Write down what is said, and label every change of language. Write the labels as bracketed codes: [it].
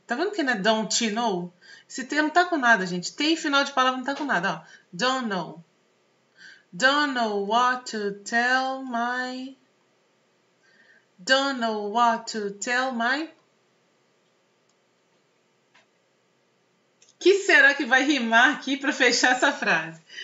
[pt] Tá vendo que não é [en] don't know? [pt] Esse T não tá com nada, gente. T e final de palavra não tá com nada, ó. [en] Don't know. Don't know what to tell my. Don't know what to tell my. [pt] Que será que vai rimar aqui para fechar essa frase?